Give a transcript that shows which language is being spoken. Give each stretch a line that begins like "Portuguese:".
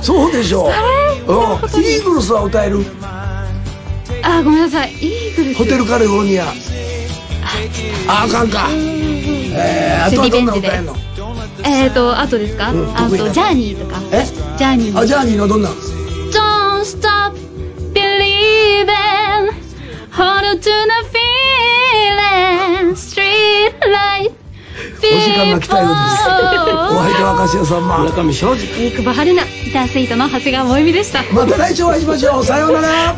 Japanese: そうでしょ。イーグルスは歌える。あーごめんなさい、イーグルス、ホテルカリフォルニア。あーあかんか。あとはどんな歌えるの。あとですか、うん、あとジャーニーとか。えジャーニー、あジャーニーのどんな。
English: Don't stop believing Hold to the feeling Street light people.
Japanese: お時間が来たようです。お相手は柏さん、村上正治、飯久保春菜、ギタースイートの長谷川萌美でした。また来週お会いしましょう。さようなら。